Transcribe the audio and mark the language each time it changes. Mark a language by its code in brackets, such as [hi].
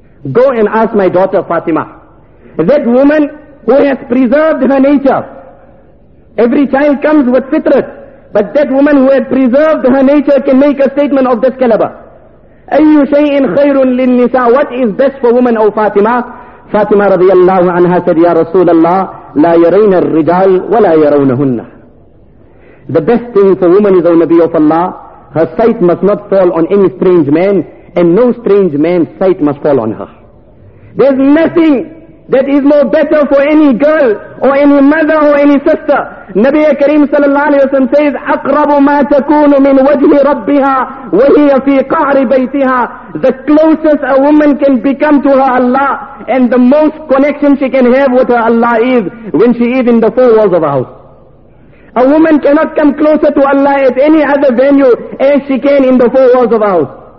[en] Go and ask my daughter Fatima. That woman who has preserved her nature. Every child comes with fitrat. But that woman who had preserved her nature can make a statement of this caliber. [ar] أَيُّ شَيْءٍ خَيْرٌ لِلْنِسَاءِ. [en] What is best for women, O Fatima? [ar] Fatima رضي الله عنها said, Ya Rasulallah, لا يرين الرجال ولا يرونهن. [en] The best thing for women is, O Nabi of Allah, her sight must not fall on any strange man, and no strange man's sight must fall on her. There's nothing that is more better for any girl or any mother or any sister. [ar] Nabi Kareem sallallahu alayhi wa sallam says, أَقْرَبُ مَا تَكُونُ مِنْ وَجْهِ رَبِّهَا وَهِيَ فِي قَعْرِ بَيْتِهَا. [en] The closest a woman can become to her Allah and the most connection she can have with her Allah is when she is in the four walls of a house. A woman cannot come closer to Allah at any other venue as she can in the four walls of a house.